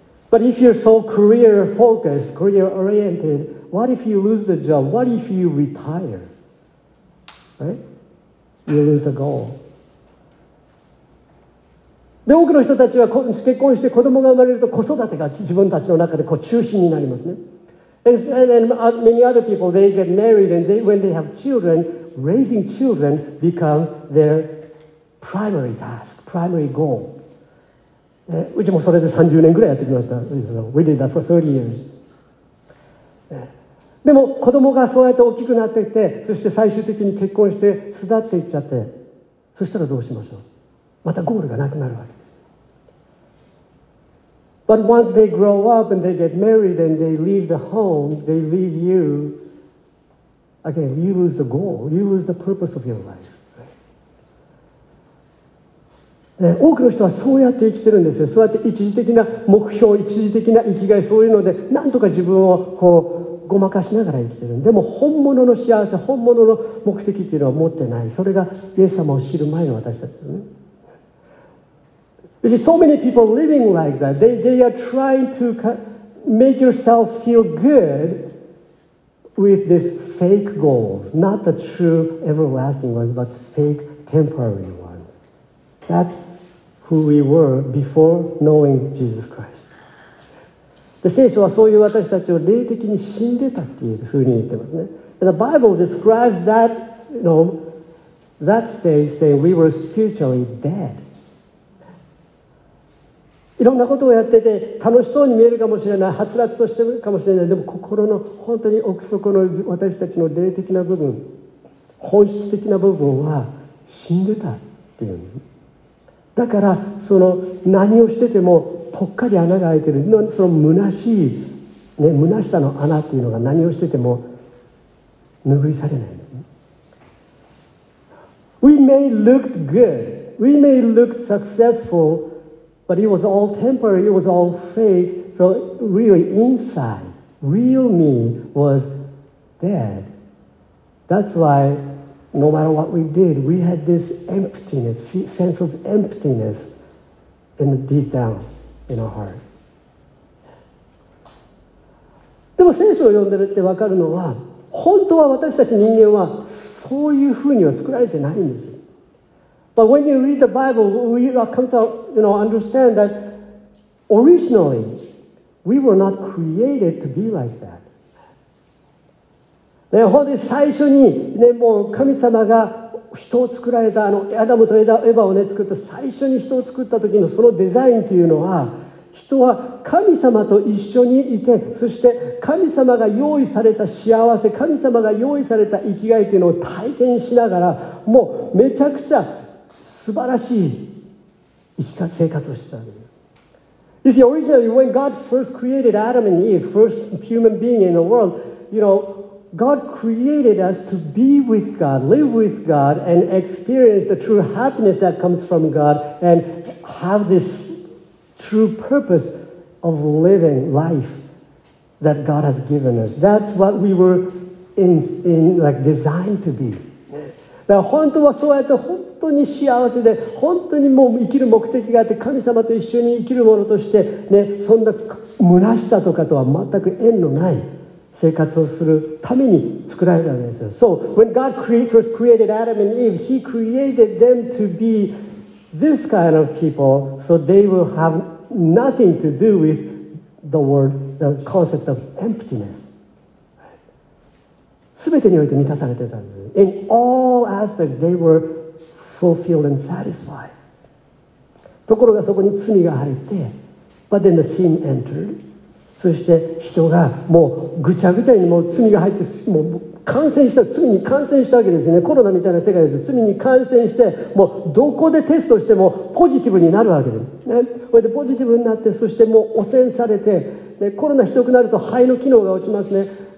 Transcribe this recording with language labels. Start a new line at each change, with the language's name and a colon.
English: But if you're so career focused, career oriented, what if you lose the job? What if you retire? Right? You lose the goal.
Japanese: で、多くの人たちは結婚して子供が生まれると、子育てが自分たちの中でこう中心になりますね。
English: And many other people, they get married, and they, when they have children, raising children becomes their primary task, primary goal.
Japanese: うちもそれで30年ぐらいやってきました。
English: We did that for 30 years.
Japanese: でも子供がそうやって大きくなっていって、そして最終的に結婚して巣立っていっちゃって、そしたらどうしましょう。またゴールがなくなるわけです。
English: But once they grow up and they get married and they leave the home, they leave you again, you lose the goal, you lose the purpose of your life.
Japanese: 多くの人はそうやって生きてるんですよ。そうやって一時的な目標、一時的な生きがい、そういうのでなんとか自分をこうごまかしながら生きてる。でも本物の幸せ、本物の目的っていうのは持ってない。それがイエス様を知る前の私たちですね。
English: You see, so many people living like that. They are trying to make yourself feel good with this fake goals. Not the true everlasting ones, but fake temporary ones. That's who we were before knowing Jesus Christ.
Japanese: The 聖書はそういう私たちを霊的に死んでたっていうふうに言ってますね。
English: And the Bible describes that, you know, that stage saying we were spiritually dead.
Japanese: いろんなことをやってて楽しそうに見えるかもしれない、はつらつとしてるかもしれない、でも心の本当に奥底の私たちの霊的な部分、本質的な部分は死んでたっていう。だからその何をしててもぽっかり穴が開いてる、その虚しい、ね、虚しさの穴っていうのが何をしてても拭いされないんですね。
English: We may look good, we may look successful, but it was all temporary, it was all fake. So really inside, real me was dead. That's whyNo matter what we did, we had this emptiness, sense of emptiness in the deep down in our heart.
Japanese: でも聖書を読んでるって分かるのは、本当は私たち人間はそういうふうには作られてないんですよ。
English: But when you read the Bible, we come to, you know, understand that originally, we were not created to be like that.
Japanese: ね、本当に最初に、ね、もう神様が人を作られた、あのアダムとエバを、ね、作った最初に人を作った時のそのデザインというのは、人は神様と一緒にいて、そして神様が用意された幸せ、神様が用意された生きがいというのを体験しながら、もうめちゃくちゃ素晴らしい生活をしてたんです。
English: You see, originally, when God first created Adam and Eve, first human being in the world, you knowGod created us to be with God, live with God, and experience the true happiness that comes from God, and have this true purpose of living life that God has given us. That's what we were in like designed to be.
Japanese: だから本当はそうやって本当に幸せで、本当にもう生きる目的があって、神様と一緒に生きるものとして、ね、そんな虚しさとかとは全く縁のない。生活をするために作られたんですよ。
English: So when God first created Adam and Eve, He created them to be this kind of people, so they will have nothing to do with the word, the concept of emptiness.
Japanese: 全てにおいて満たされてたんです。
English: In all aspects, they were fulfilled and satisfied.
Japanese: ところがそこに罪が入って、
English: But then the sin entered.
Japanese: そして人がもうぐちゃぐちゃにもう罪が入って、もう感染した、罪に感染したわけですね。コロナみたいな世界です。罪に感染して、もうどこでテストしてもポジティブになるわけです、ね、これでポジティブになって、そしてもう汚染されて、でコロナひどくなると肺の機能が落ちますね。